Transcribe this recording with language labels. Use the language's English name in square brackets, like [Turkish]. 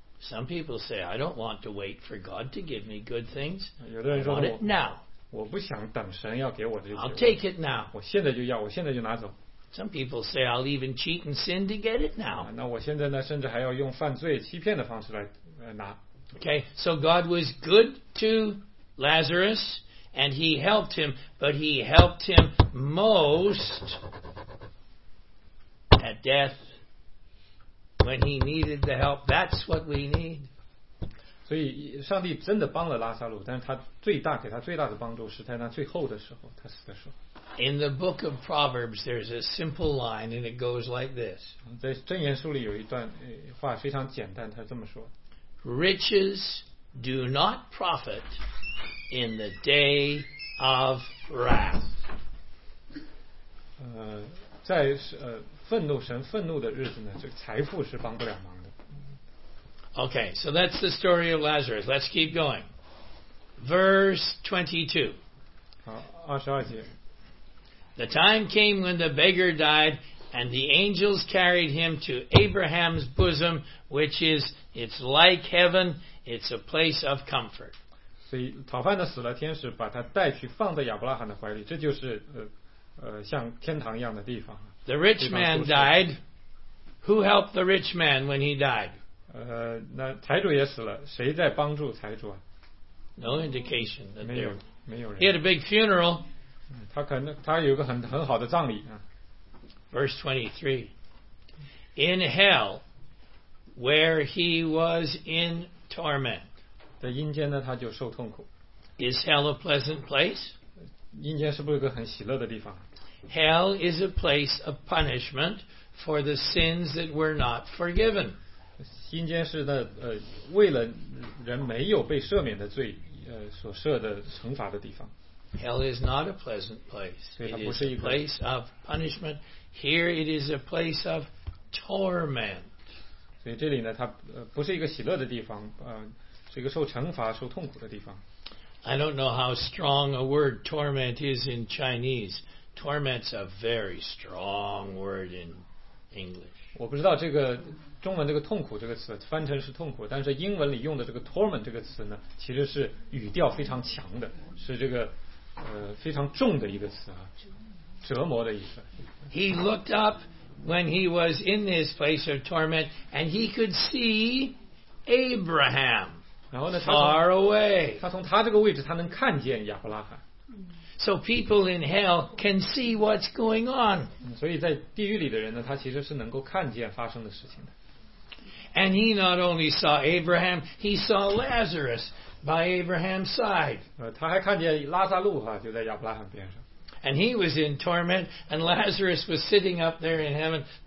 [English] Some people say, I don't want to wait for God to give me good things. [Chinese] 有的人说 [English] I want it now. [Chinese] 我不想等神要给我这些。 [English] I'll take it now. [Chinese] 我现在就要，我现在就拿走。 [English] Some people say, I'll even cheat and sin to get it now. [Chinese] 那我现在呢，甚至还要用犯罪欺骗的方式来拿。 [English] Okay, so God was good to Lazarus, and he helped him, but he helped him most at death. When he needed the help, that's what we need. [Chinese] 所以上帝真的帮了拉撒路，但是他最大给他最大的帮助是在他最后的时候，他死的时候。 [English] In the book of Proverbs, there's a simple line, and it goes like this. [Chinese] 在箴言书里有一段话非常简单，他这么说。 [English] Riches do not profit in the day of wrath. [Chinese] 在愤怒神愤怒的日子呢，这个财富是帮不了忙的。 [English] Okay, so that's the story of Lazarus. Let's keep going. Verse [Chinese] 22. 好，二十二节。 [English] The time came when the beggar died, and the angels carried him to Abraham's bosom, which is, it's like heaven, it's a place of comfort. [Chinese] 所以讨饭的死了，天使把他带去放在亚伯拉罕的怀里，这就是像天堂一样的地方。 [English] The rich man died. Who helped the rich man when he died? [Chinese] 那财主也死了，谁在帮助财主啊？ [English] No indication. [Chinese] 没有人。 [English] He had a big funeral. [Chinese] 他可能他有个很好的葬礼啊。 [English] Verse 23. In hell, where he was in torment. [Chinese] 在阴间呢，他就受痛苦。 [English] Is hell a pleasant place? [Chinese] 阴间是不是一个很喜乐的地方？ [English] Hell is a place of punishment for the sins that were not forgiven. [Chinese] 阴间是那为了人没有被赦免的罪所设的惩罚的地方。 [English] Hell is not a pleasant place. It is a place of punishment. Here it is a place of torment. [Chinese] 所以这里呢，它不是一个喜乐的地方，是一个受惩罚、受痛苦的地方。 [English] I don't know how strong a word torment is in Chinese. Torment's a very strong word in English. [Chinese] 我不知道这个中文这个痛苦这个词翻成是痛苦，但是英文里用的这个 torment 这个词呢，其实是语调非常强的，是这个非常重的一个词啊，折磨的意思。 [English] He looked up when he was in this place of torment, and he could see Abraham far away. [Chinese] 他从他这个位置，他能看见亚伯拉罕。 [English] So people in hell can see what's going on. [Chinese] 所以在地狱里的人呢，他其实是能够看见发生的事情的。 [English] And he not only saw Abraham, he saw Lazarus by Abraham's side. [Chinese] 他还看见拉撒路哈，就在亚伯拉罕边上。 [English] And he was in torment, and Lazarus was sitting up there in heaven.